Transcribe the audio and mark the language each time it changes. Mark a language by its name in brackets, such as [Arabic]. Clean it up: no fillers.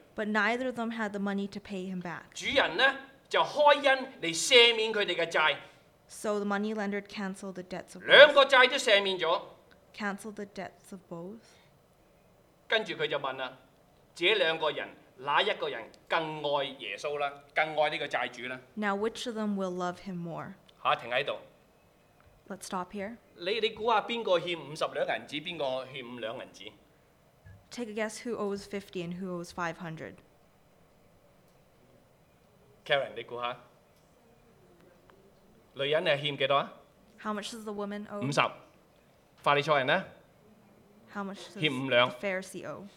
[English] But neither of them had the money to pay him back. [Cantonese] 主人咧？就開恩嚟赦免佢哋嘅債。 [English] So the money lender cancelled the debts of both. [Cantonese] 兩個債都赦免咗。 [English] Cancelled the debts of both. [Cantonese] 跟住佢就問啦：，這兩個人哪一個人更愛耶穌啦？更愛呢個債主啦 [English] ？Now which of them will love him more？ [Cantonese] 嚇，停喺度。 [English] Let's stop here. [Cantonese] 你估下邊個欠五十兩銀子，邊個欠五兩銀子 [English] ？Take a guess who owes 50 and who owes 500. [Cantonese] Karen， 你估下，女人你欠几多啊 [English] ？How much does the woman owe？ [Cantonese] 五十。法利赛人咧 [English] How much does the Pharisee owe?